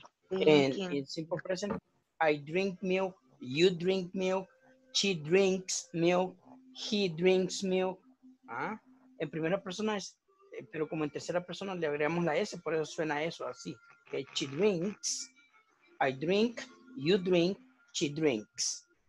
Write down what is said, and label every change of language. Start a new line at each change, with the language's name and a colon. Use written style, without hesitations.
English: And in simple present, I drink milk, you drink milk, she drinks milk, he drinks milk. ¿Ah?
Spanish: En primera persona es, pero como en tercera persona le agregamos la S, por eso suena eso así.
English: Que she drinks, I drink, you drink, she drinks.